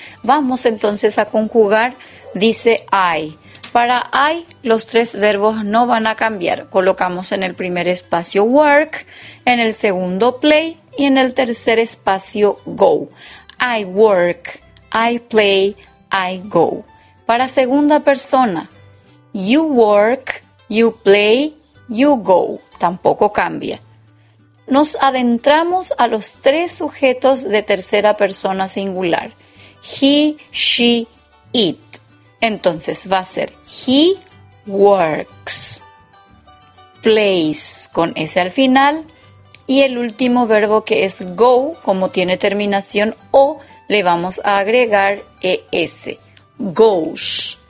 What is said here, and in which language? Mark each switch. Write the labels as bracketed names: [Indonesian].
[Spanish] Vamos entonces a conjugar, dice I. Para I, los tres verbos no van a cambiar. Colocamos en el primer espacio work, en el segundo play y en el tercer espacio go. [English] I work, I play, I go. [Spanish] Para segunda persona, [English] you work, you play, you go. [Spanish] Tampoco cambia. Nos adentramos a los tres sujetos de tercera persona singular. [English] He, she, it. [Spanish] Entonces va a ser [English] he works, plays [Spanish] con s al final y el último verbo que es go, como tiene terminación o, le vamos a agregar es, goes.